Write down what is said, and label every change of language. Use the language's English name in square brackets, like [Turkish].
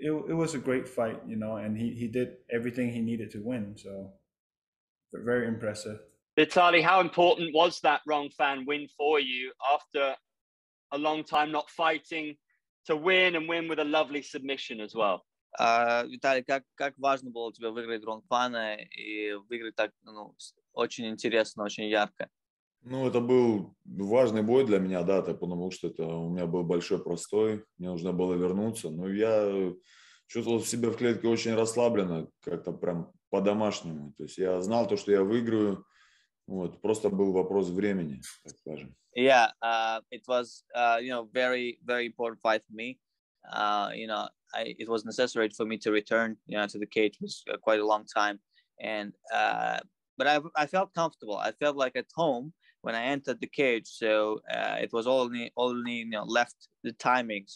[English] It was a great fight, you know, and he did everything he needed to win. So very impressive. Vitaly, how important was that Rong Fan win for you after a long time not fighting, to win and win with a lovely submission as well? [Russian] Vitaly, как важно было тебе выиграть Ронг Фана и выиграть так, ну, очень интересно, очень ярко? Ну, это был важный бой для меня, да, потому что это у меня был большой простой, мне нужно было вернуться. Но я чувствовал себя в клетке очень расслабленно, как-то прям по-домашнему. То есть я знал то, что я выиграю. Вот, просто был вопрос времени, так скажем. [English] Yeah, it was, you know, very, very important fight for me. You know, it was necessary for me to return, you know, to the cage. It was quite a long time. And, but I felt comfortable. I felt like at home when I entered the cage. So it was only you know, left the timing.